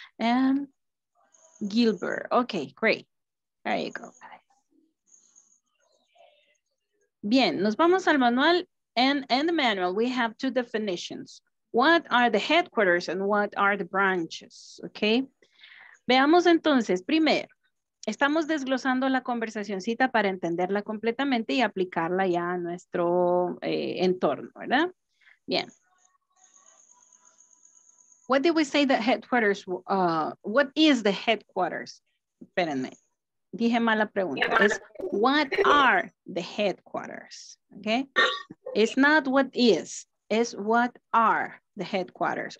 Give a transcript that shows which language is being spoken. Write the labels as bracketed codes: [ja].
[en] And Gilbert. Okay, great. There you go. [es] Bien, nos vamos al manual. [en] And in the manual, we have two definitions. What are the headquarters and what are the branches? [es] Okay. Veamos entonces, primero. Estamos desglosando la conversacioncita para entenderla completamente y aplicarla ya a nuestro entorno, ¿verdad? Bien. [en] What did we say the headquarters, what is the headquarters? [es] Espérenme, dije mala pregunta. Es what are the headquarters, okay? [en] It's not what is, it's what are the headquarters.